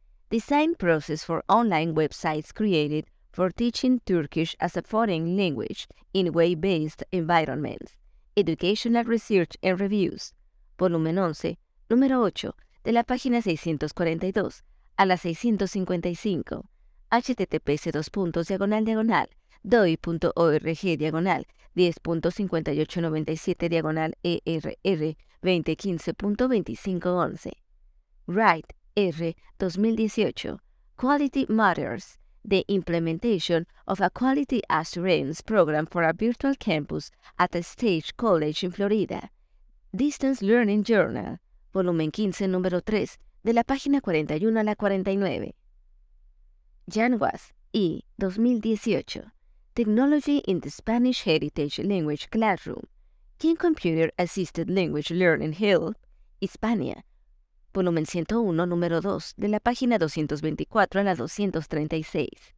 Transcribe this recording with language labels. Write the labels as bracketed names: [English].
[English] Design Process for Online Websites Created for Teaching Turkish as a Foreign Language in Web-Based Environments. Educational Research and Reviews. [Spanish] Volumen 11, número 8, de la página 642 a la 655. [English] https://doi.org/10.5897/err2015.2511. Wright, R. 2018. Quality Matters. The Implementation of a Quality Assurance Program for a Virtual Campus at a State College in Florida. Distance Learning Journal. [Spanish] Volumen 15, número 3, de la página 41 a la 49. [English] Yanguas, E. 2018. Technology in the Spanish Heritage Language Classroom. Can Computer Assisted Language Learning Help? Hispania. [Spanish] volumen 101, número 2, de la página 224 a la 236.